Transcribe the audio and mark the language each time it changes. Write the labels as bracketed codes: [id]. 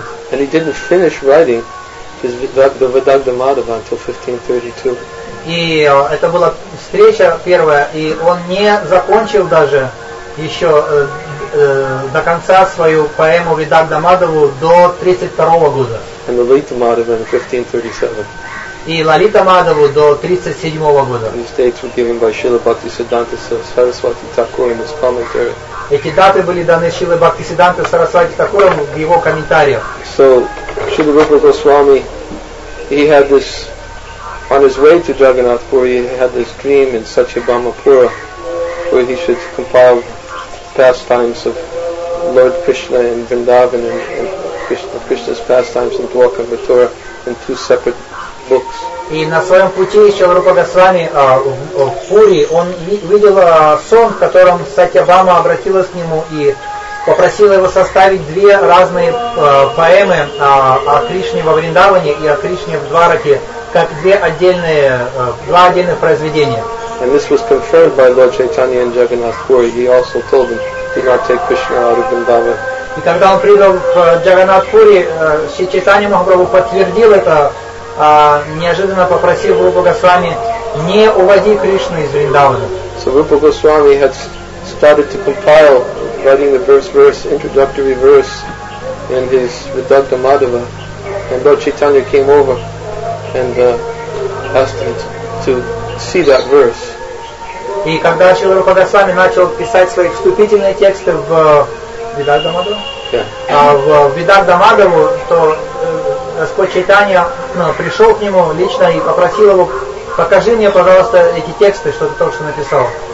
[en] And he didn't finish writing his the Vidagdha Madhava until 1532. [ru] И это была встреча первая, и он не закончил даже еще до конца свою поэму Vidagdha Madhavu до 32 года. [en] And Lalita Madhava in 1537. [ru] И Лалита Мадаву до 37 года. [en] These dates were given by Śrīla Bhaktisiddhanta Saraswati Thakur in his commentary. [ru] Эти даты были даны Śrīla Bhaktisiddhanta Saraswati Thakur в его комментариях. [en] So, Śrīla Rūpa Gosvāmī, he had this on his way to Jagannath Puri, he had this dream in Satyabhamapura where he should compile pastimes of Lord Krishna in Vrindavan and Krishna's pastimes in Dwarka Mathura in two separate books. [ru] И на своем пути Шрила Рупа Госвами в Пури он видел сон, в котором Сатьябама обратилась к нему и попросила его составить две разные поэмы о Кришне во Вриндаване и о Кришне в Двараке, как два отдельных произведения. [en] And this was confirmed by Lord Chaitanya in Jagannath Puri. He also told him, do not take Krishna out of Vrindavan. [ru] И когда он прибыл в Джаганнатх Пури, Шри Чайтанья Махапрабху подтвердил это неожиданно попросил Рупа Госвами не уводить Кришну из Вриндавана. [en] So Rupa Goswami had started to compile, writing the verse, introductory verse in his Vidagdha Madhava, and Lord Chaitanya came over and asked him to see that verse. [ru] И когда Шрила Рупа Госвами начал писать свои вступительные тексты в Vidagdha Madhava, в Vidagdha Madhava, то Господь Чайтанья пришел к нему лично и попросил его: покажи мне, пожалуйста, эти тексты, что ты только что написал.